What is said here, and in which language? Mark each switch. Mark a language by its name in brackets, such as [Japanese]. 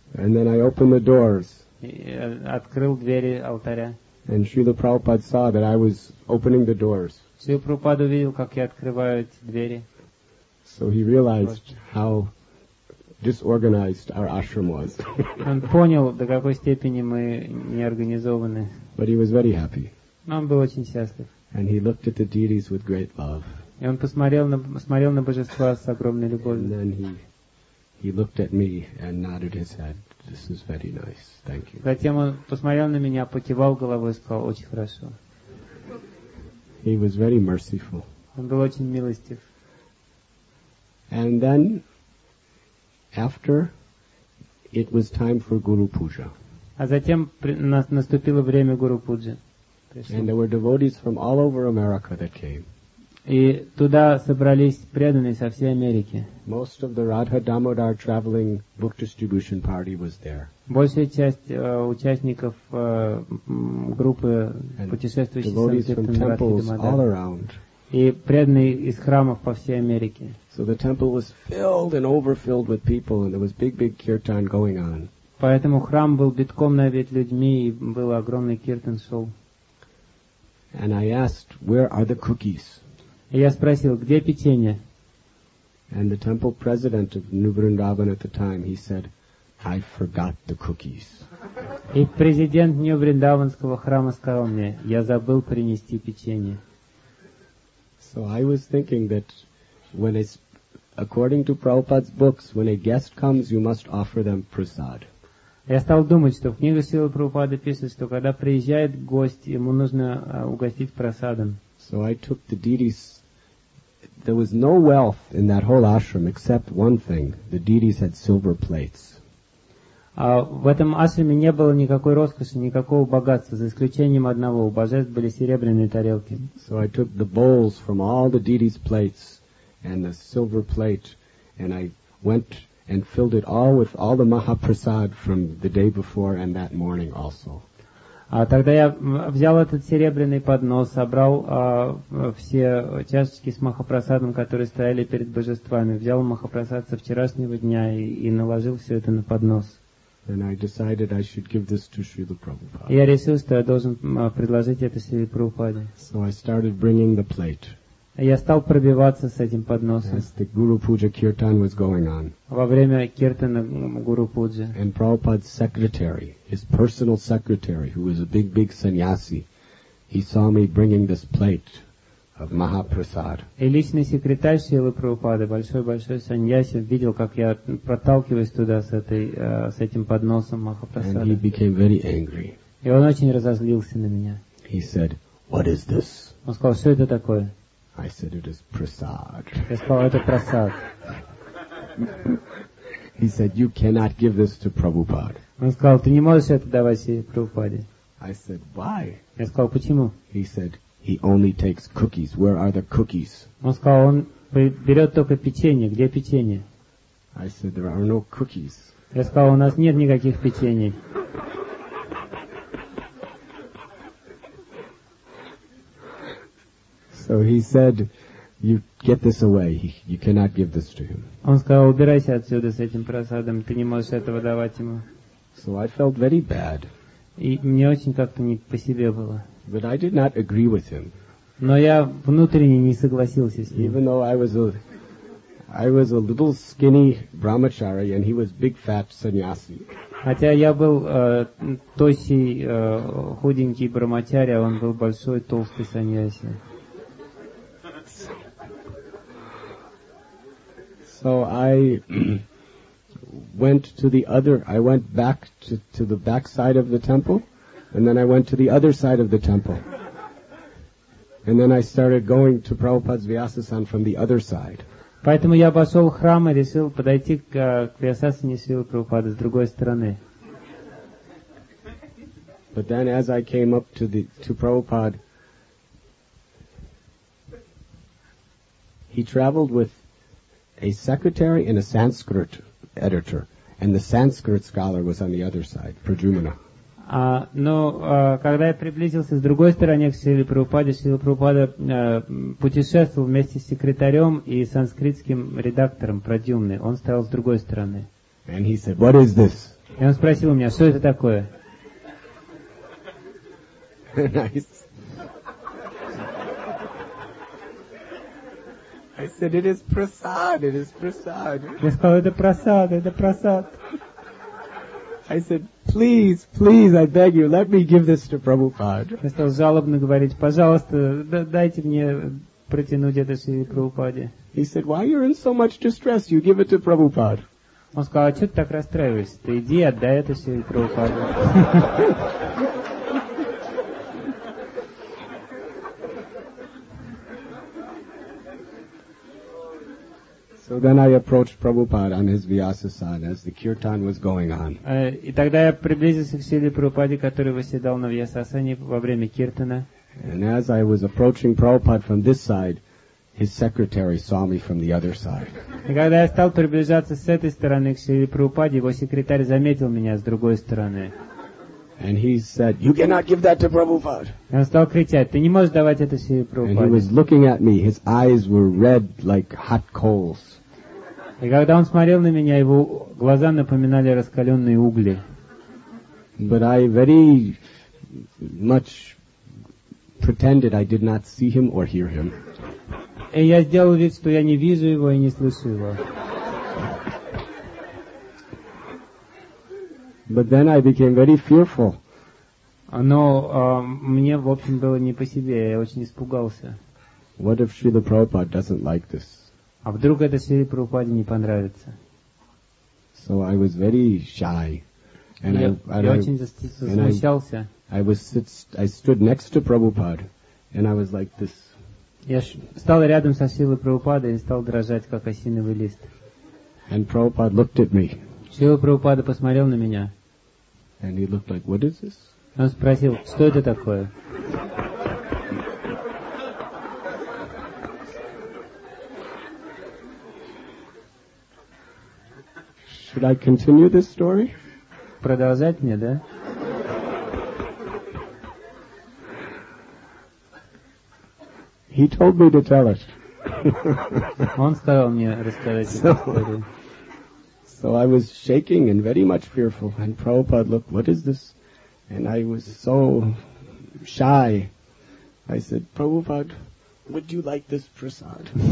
[English] And then I opened the doors. [Russian] открыл двери алтаря. [English] And Srila Prabhupada saw that I was opening the doors. [Russian] Srila Prabhupada увидел, как я открываю эти двери. [English] So he realized how disorganized our ashram was. [Russian] Он понял, до какой степени мы неорганизованы. [English] But he was very happy. [Russian] Он был очень счастлив. [English] And he looked at the deities with great love. [Russian] И он посмотрел на божества с огромной любовью. [English] And then he looked at me and nodded his head. This is very nice. Thank you. [Russian] Затем он посмотрел на меня, покивал головой и сказал: очень хорошо. [English] He was very merciful. [Russian] Он был очень милостив. [English] And then, after, it was time for Guru Puja. [Russian] А затем наступило время Гуру Пуджи. [English] And there were devotees from all over America that came. [Russian] И туда собрались преданные со всей Америки. [English] Most of the Radha Damodar traveling book distribution party was there. [Russian] Большая часть участников группы путешествующих Санкт-Петербурга и преданные из храмов по всей Америке. [English] So the temple was filled and overfilled with people, and there was big kirtan going on. [Russian] Поэтому храм был битком набит людьми, и был огромный киртан шел. [English] And I asked, where are the cookies? [Russian] И я спросил, где печенье? [English] And the temple president of New Vrindavan at the time, he said, I forgot the cookies. [Russian] И президент Нью-Вриндаванского храма сказал мне, я забыл принести печенье. [English] So I was thinking that when it's, according to Prabhupada's books, when a guest comes, you must offer them prasad. [Russian] Я стал думать, что в книге Силы Прабхупады пишет, что когда приезжает гость, ему нужно угостить прасадом. [English] So I took the deities. There was no wealth in that whole ashram except one thing. The deities had silver plates. [Russian] В этом ашраме не было никакой роскоши, никакого богатства, за исключением одного. У божеств были серебряные тарелки. [English] So I took the bowls from all the deities' plates and the silver plate, and I went and filled it all with all the mahaprasad from the day before and that morning also. [Russian] Тогда я взял этот серебряный поднос, собрал все чашечки с махапрасадом, которые стояли перед божествами, взял махапрасад со вчерашнего дня и наложил все это на поднос. [English] And I decided I should give this to Srila Prabhupada. [Russian] Я решил, что я должен предложить это Шриле Прабхупаде. [English] So I started bringing the plate. [Russian] Я стал пробиваться с этим подносом. [English] As the Guru Puja Kirtan was going on. [Russian] Во время киртана Гуру Пуджи. [English] And Prabhupada's secretary, his personal secretary, who was a big sannyasi, he saw me bringing this plate of Mahaprasad. [Russian] И личный секретарь Шрилы Прабхупады, большой сannyasi, видел, как я проталкиваюсь туда с этим подносом Махапрасада. [English] And he became very angry. [Russian] И он очень разозлился на меня. [English] He said, "What is this?" [Russian] Он сказал, что это такое? [English] I said, "It is prasad." [Russian] Я сказал, это прасад. [English] He said, "You cannot give this to Prabhupada." [Russian] Он сказал, ты не можешь это давать себе Прабхупаде. [English] I said, "Why?" [Russian] Я сказал, почему? [English] He said, "He only takes cookies. Where are the cookies?" [Russian] Он сказал, он берет только печенье. Где печенье? [English] I said, "There are no cookies." [Russian] Я сказал, у нас нет никаких печеней. [English] So he said, "You get this away. You cannot give this to him." [Russian] Он сказал, убирайся отсюда с этим просадом. Ты не можешь этого давать ему. [English] So I felt very bad. [Russian] И мне очень как-то не по себе было. [English] But I did not agree with him. [Russian] Но я внутренне не согласился с ним. [English] Even though I was a little skinny brahmachari, and he was big fat sannyasi. [Russian] Хотя я был тощий, худенький брамачари, а он был большой, толстый сannyasi. [English] So I went to the other. I went back to the back side of the temple, and then I went to the other side of the temple, and then I started going to Prabhupada's Vyasasan from the other side. [Russian] Поэтому я обошел храм и решил подойти к Вьясасане Шрилы Прабхупады с другой стороны. [English] But then, as I came up to Prabhupada, he traveled with a secretary and a Sanskrit editor, and the Sanskrit scholar was on the other side, Prajumana. [Russian] Когда я приблизился с другой стороны к Шриле Прабхупаде, Шрила Прабхупада путешествовал вместе с секретарем и санскритским редактором Прадюмной. Он стоял с другой стороны. [English] And he said, "What is this?" [Russian] И он спросил у меня, что это такое? [English] Nice. I said, it is prasad, it is prasad. [Russian] Я сказал, это прасад, это прасад. [English] I said, please, please, I beg you, let me give this to Prabhupada. [Russian] Я стал жалобно говорить, пожалуйста, дайте мне протянуть это Шри Прабхупаде. [English] He said, why are you in so much distress? You give it to Prabhupada. [Russian] Он сказал, а что ты так расстраиваешься? Ты иди, отдай это Шри Прабхупаде. [English] So then I approached Prabhupada on his Vyasasana as the kirtan was going on. [Russian] И тогда я приблизился к Шриле Прабхупаде, который восседал на Вьясасане во время киртана. [English] And as I was approaching Prabhupada from this side, his secretary saw me from the other side. [Russian] И когда я стал приближаться с этой стороны к Шриле Прабхупаде, его секретарь заметил меня с другой стороны. [English] And he said, "You cannot give that to Prabhupada." [Russian] Он стал кричать, ты не можешь давать это Шриле Прабхупаде. [English] And he was looking at me. His eyes were red like hot coals. [Russian] И когда он смотрел на меня, его глаза напоминали раскаленные угли. [English] But I very much pretended I did not see him or hear him. [Russian] И я сделал вид, что я не вижу его и не слышу его. [English] But then I became very fearful. [Russian] Но мне, в общем, было не по себе. Я очень испугался. [English] What if Srila Prabhupada doesn't like this? [Russian] А вдруг это Шриле Прабхупаде не понравится? [English] So I was very shy. [Russian] And я очень засмущался. [English] I stood next to Prabhupada, and I was like this. [Russian] Я стал рядом со Шрилой Прабхупадой и стал дрожать, как осиновый лист. [English] And Prabhupada looked at me. [Russian] Шрила Прабхупада посмотрел на меня. [English] And he looked like, what is this? [Russian] Он спросил, что это такое? [English] Should I continue this story? [Russian] Продолжать мне, да? [English] He told me to tell it. [Russian] Он сказал мне рассказать эту историю. [English] So I was shaking and very much fearful, and Prabhupada looked, what is this? And I was so shy. I said, Prabhupada, would you like this prasad?